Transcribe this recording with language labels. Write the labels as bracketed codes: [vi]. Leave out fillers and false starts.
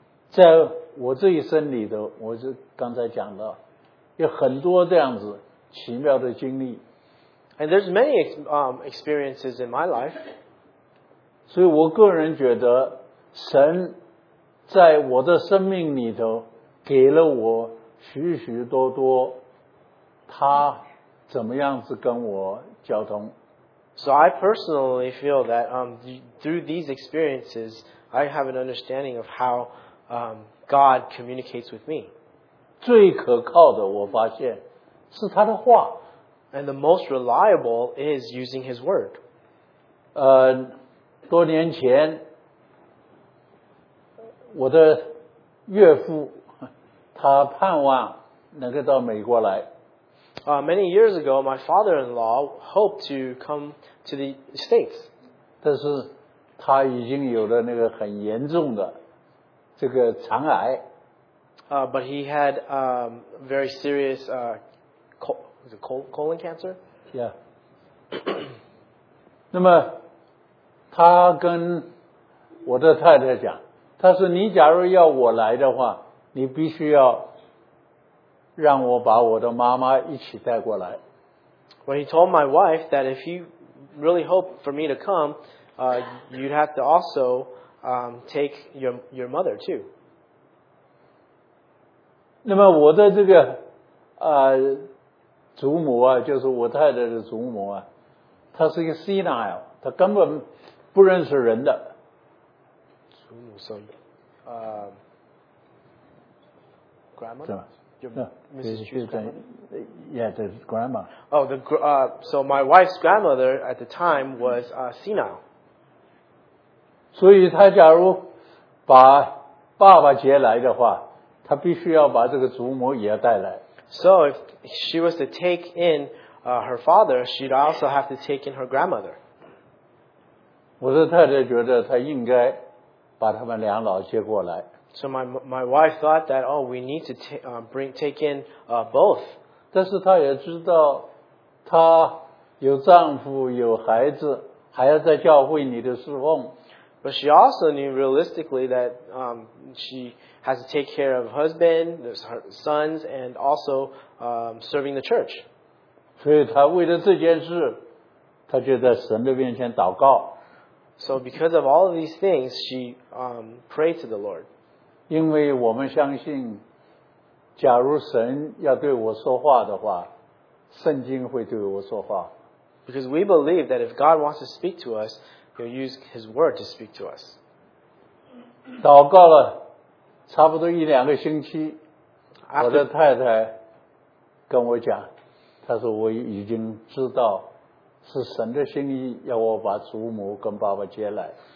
[zh] 在我这一生里头，我就刚才讲到有很多这样子奇妙的经历。 [en] And there's many experiences in my life. [zh] 所以我个人觉得神在我的生命里头给了我许许多多他怎么样子跟我交通。 [en] So I personally feel that through these experiences, I have an understanding of how God communicates with me. [zh] 最可靠的我发现是他的话。 [en] And the most reliable is using his word. [zh] 多年前我的岳父他盼望能够到美国来。 [en] Many years ago, my father-in-law hoped to come to the States. [zh] 但是他已经有了那个很严重的这个肠癌。 [en] But he had very serious colon cancer. Yeah. [zh] 那么他跟我的太太讲，他说你假如要我来的话，你必须要让我把我的妈妈一起带过来。 [en] Well, he told my wife that if he really hoped for me to come, you'd have to also take your mother too. [zh] 那么我的这个祖母啊，就是我太太的祖母啊，她是一个 senile， 她根本不认识人的。祖母是grandmother， [en] Mrs. Chu's grandmother. Yeah, the grandma. Oh, the so my wife's grandmother at the time was senile. [zh] 所以他假如把爸爸接来的话，他必须要把这个祖母也要带来。 [en] So if she was to take in her father, she'd also have to take in her grandmother. [zh] 我的太太觉得她应该把他们两老接过来。 [en] So my wife thought that, oh, we need to take in both. [zh] 但是她也知道她有丈夫有孩子还要在教会里的侍奉。 [en] But she also knew realistically that she has to take care of husband, her sons, and also serving the church. [zh] 所以她为了这件事她就在神的面前祷告。 [en] So because of all of these things, she prayed to the Lord. [zh] 因为我们相信假如神要对我说话的话圣经会对我说话。 [en] Because we believe that if God wants to speak to us, He'll use His word to speak to us. [zh] 祷告了差不多一两个星期我的太太跟我讲她说我已经知道是神的心意要我把祖母跟爸爸接来。